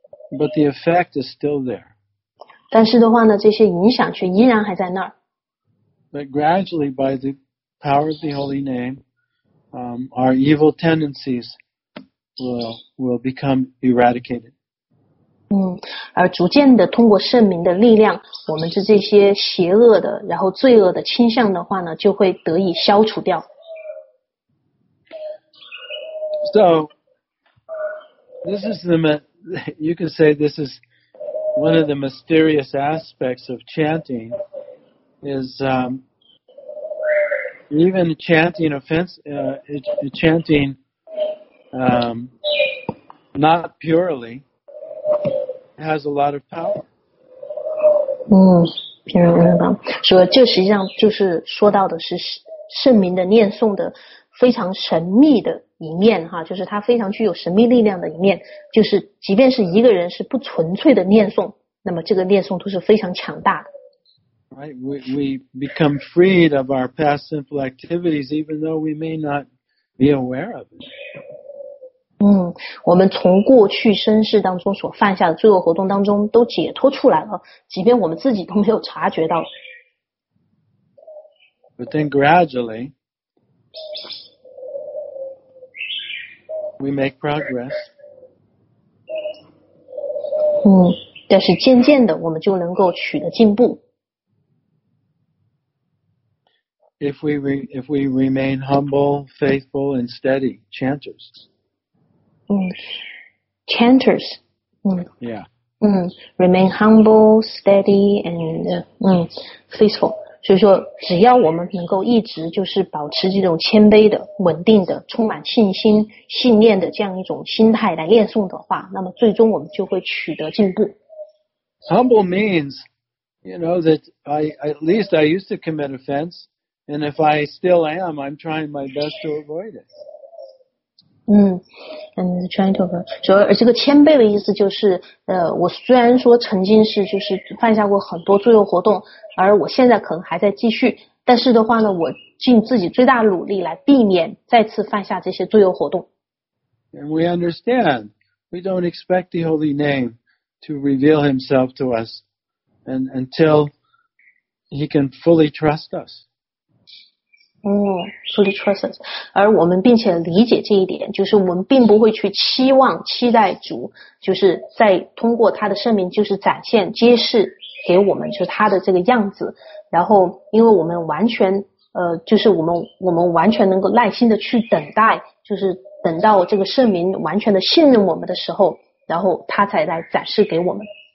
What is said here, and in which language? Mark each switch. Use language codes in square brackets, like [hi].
[en] But the effect is still there. [zh] 但是的话呢，这些影响却依然还在那儿。 [en] But gradually, by the power of the Holy Name, our evil tendencies will become eradicated. [zh] 而逐渐的通过圣名的力量，我们这些邪恶的，然后罪恶的倾向的话呢，就会得以消除掉。 [en] So, this is the, you can say this is one of the mysterious aspects of chanting, is even chanting offense, chanting not purely. Has a lot of power. [zh] 平安文章说，这实际上就是说到的是圣名的念诵的非常神秘的一面哈，就是它非常具有神秘力量的一面。就是即便是一个人是不纯粹的念诵，那么这个念诵都是非常强大的。 [en] Right, we become freed of our past sinful activities, even though we may not be aware of it. [zh] 我们从过去生世当中所犯下的罪恶活动当中都解脱出来了，即便我们自己都没有察觉到。 [en] But then gradually, we make progress. [zh] 但是渐渐的我们就能够取得进步。 [en] If we remain humble, faithful, and steady chanters. Chanters. Yeah. Remain humble, steady, and faithful. [zh] 所以说，只要我们能够一直就是保持这种谦卑的、稳定的、充满信心、信念的这样一种心态来念诵的话，那么最终我们就会取得进步。 [en] Humble means, you know, that I at least I used to commit offense, and if I still am, I'm trying my best to avoid it. Gentle. [zh] 主要，而这个谦卑的意思就是，我虽然说曾经是就是犯下过很多罪恶活动，而我现在可能还在继续，但是的话呢，我尽自己最大努力来避免再次犯下这些罪恶活动。 [en] And we understand, we don't expect the Holy Name to reveal Himself to us, and until He can fully trust us. Fully trust us. [zh] 而我们并且理解这一点，就是我们并不会去期望、期待主，就是在通过他的圣名，就是展现、揭示给我们，就是他的这个样子。然后，因为我们完全，就是我们完全能够耐心的去等待，就是等到这个圣名完全的信任我们的时候，然后他才来展示给我们。